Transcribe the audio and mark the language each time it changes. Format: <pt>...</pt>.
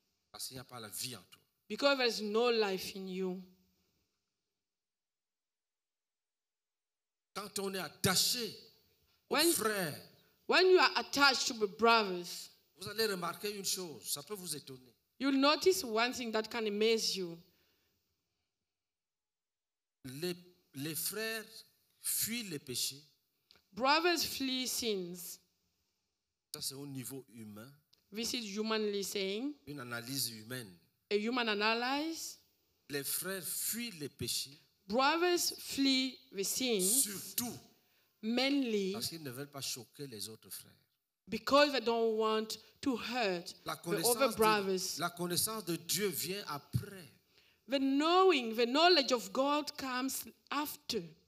<fr>Parce qu'il n'y a pas la vie en toi.</fr> <en>Because there is no life in you.</en> <fr>Quand on est attaché aux frères,</fr> <en>when you are attached to the brothers,</en> <fr>vous allez remarquer une chose, ça peut vous étonner.</fr> <en>You'll notice one thing that can amaze you.</en> <fr>Les frères fuient les péchés.</fr> <en>Brothers flee sins.</en> <fr>Ça, c'est au niveau humain.</fr> <en>This is humanly saying.</en> <fr>Une analyse humaine.</fr> <en>A human analyse.</en> <fr>Les frères fuient les péchés.</fr> <en>Brothers flee the sins.</en> <fr>Surtout.</fr> <en>Mainly.</en> <fr>Parce qu'ils ne veulent pas choquer les autres frères.</fr> <en>Because they don't want to hurt the other brothers.</en> <fr>La connaissance de Dieu vient après.</fr> <en>The knowing, the knowledge of God comes after.</en>